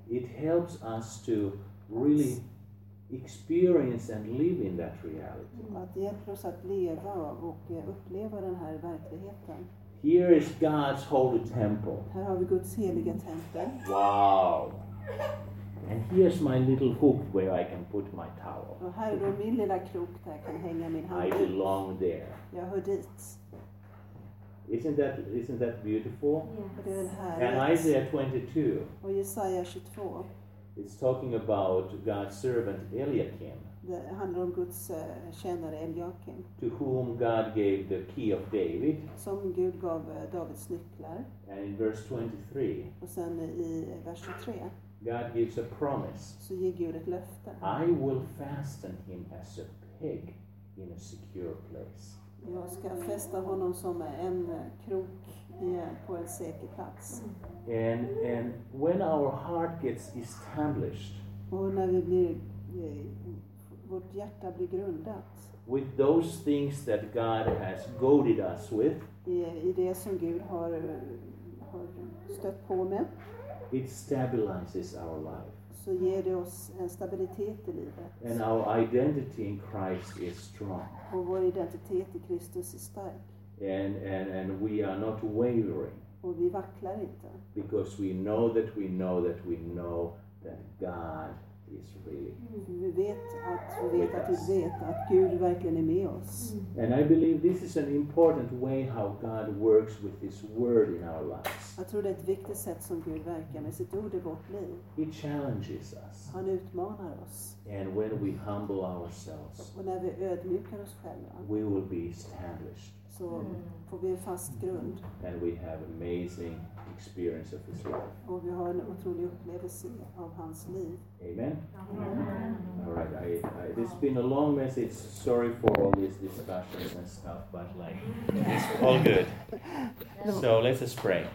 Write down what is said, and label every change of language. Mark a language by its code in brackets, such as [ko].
[en] It helps us to really experience and live in that reality. [sv] Att hjälpa oss att leva och uppleva den här verkligheten. [en] Here is God's holy temple. [sv] Här har vi Guds heliga tempel. [en] Wow. And here's my little hook where I can put my towel. [sv] Och här är min lilla krok där jag kan hänga min handduk. [en] I belong there. [sv] Jag hör dit. [en] Isn't that beautiful? Yes. And Isaiah 22. [sv] Och Jesaja 22. [en] It's talking about God's servant Eliakim. [sv] Det handlar om Guds tjänare Eliakim. [en] To whom God gave the key of David. [sv] Som Gud gav Davids nycklar. [en] And in verse 23. [sv] Och sen i vers 23. [en] God gives a promise. [sv] Så ger Gud ett löfte. [en] I will fasten him as a peg in a secure place. [sv] Jag ska fästa honom som en krok på en säker plats. [en] And when our heart gets established. [sv] Och när vi blir vårt hjärta blir grundat. [en] With those things that God has goaded us with. [sv] I det som Gud har stött på med. [en] It stabilizes our life. [sv] Så så ger det oss en stabilitet i livet. [en] And our identity in Christ is strong. [sv] Och vår identitet i Kristus är stark. [en] And we are not wavering. [sv] Och vi vacklar inte. [en] Because we know that we know that we know that God is really. [sv] Vi vet att vi vet att vi vet att Gud verkligen är med oss. [en] And I believe this is an important way how God works with His word in our lives. [sv] Jag tror det är ett viktigt sätt som Gud verkar med sitt ord i vårt liv. [en] He challenges us. [sv] Han utmanar oss. [en] And when we humble ourselves. [sv] Och när vi ödmjukar oss själva. [en] We will be established. [sv] Så får vi en fast grund. [en] And we have amazing experience of His life. [sv] Och vi har en otrolig upplevelse av hans liv. [en] Amen. All right. This has been a long message. Sorry for all these discussions and stuff, but like it's all good. So let us pray.